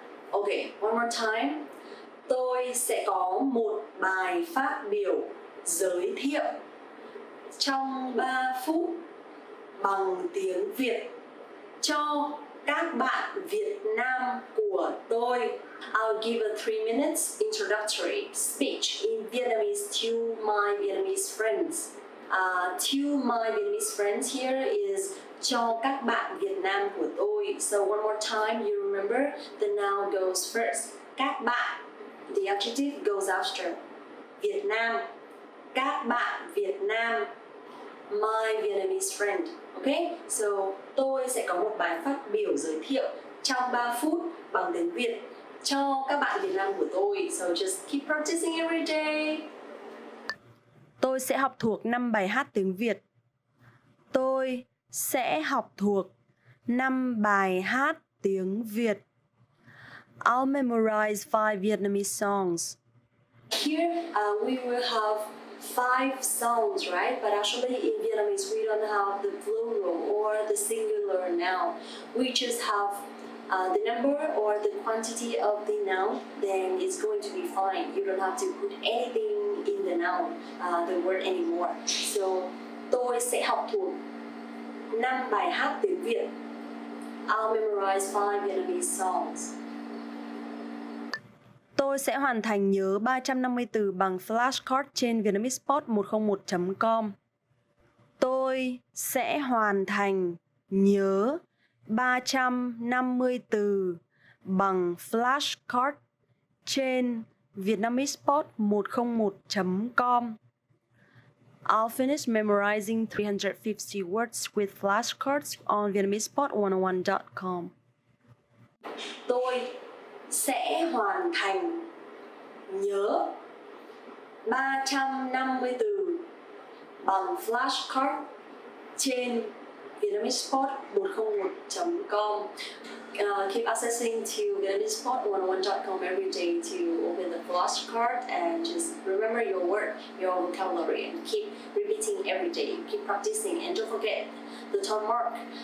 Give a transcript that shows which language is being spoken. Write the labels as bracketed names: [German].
[English] Okay, one more time. [Vietnamese] Tôi sẽ có một bài phát biểu giới thiệu trong 3 phút bằng tiếng Việt cho các bạn Việt Nam của tôi. [English] I'll give a 3-minute introductory speech in Vietnamese to my Vietnamese friends. To my Vietnamese friends here is [Vietnamese] cho các bạn Việt Nam của tôi. [English] So one more time, you remember the noun goes first. [Vietnamese] Các bạn, [English] the adjective goes after. [Vietnamese] Việt Nam, các bạn Việt Nam, [English] my Vietnamese friend. Okay, so [Vietnamese] tôi sẽ có một bài phát biểu giới thiệu trong 3 phút bằng tiếng Việt cho các bạn Việt Nam của tôi. [English] So just keep practicing every day. [Vietnamese] Tôi sẽ học thuộc 5 bài hát tiếng Việt. Tôi sẽ học thuộc 5 bài hát tiếng Việt. [English] I'll memorize 5 Vietnamese songs. Here we will have 5 sounds, right? But actually in Vietnamese we don't have the plural or the singular noun. We just have the number or the quantity of the noun, then it's going to be fine. You don't have to put anything in the noun, the word anymore. So, [Vietnamese] tôi sẽ học thuộc 5 bài hát tiếng Việt. [English] I'll memorize 5 Vietnamese songs. [Vietnamese] Tôi sẽ hoàn thành nhớ 350 từ bằng flashcard trên vietnamesepod101.com. Tôi sẽ hoàn thành nhớ 350 từ bằng flashcard trên vietnamesepod101.com. [English] I'll finish memorizing 350 words with flashcards on vietnamesepod101.com. [Vietnamese] Tôi sẽ hoàn thành nhớ 350 từ bằng flashcard trên vietnamesepod101.com. [English] Keep accessing to vietnamesepod101.com every day to open the flashcard and just remember your word, your vocabulary, and keep repeating every day. Keep practicing and don't forget the tone mark.